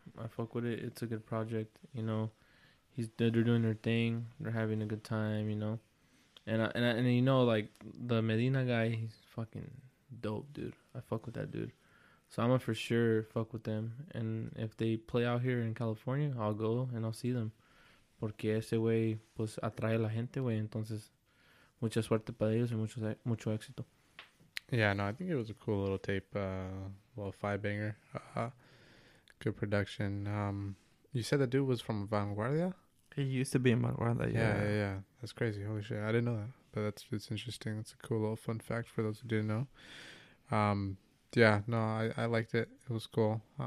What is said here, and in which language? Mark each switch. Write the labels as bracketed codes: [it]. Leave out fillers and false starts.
[en] I fuck with it. It's a good project, you know? They're doing their thing. They're having a good time, you know? And you know, like, the Medina guy, he's fucking dope, dude. I fuck with that dude. So I'm gonna for sure fuck with them. And if they play out here in California, I'll go and I'll see them. [es] Porque ese güey, pues, atrae la gente, güey. Entonces, mucha suerte para ellos y mucho éxito. [en] Yeah, no, I think it was a cool little tape. Well, five banger. Good production. You said the dude was from Vanguardia? He used to be in Vanguardia, yeah. That's crazy. Holy shit. I didn't know that. But it's interesting. It's a cool little fun fact for those who didn't know. I liked it. It was cool.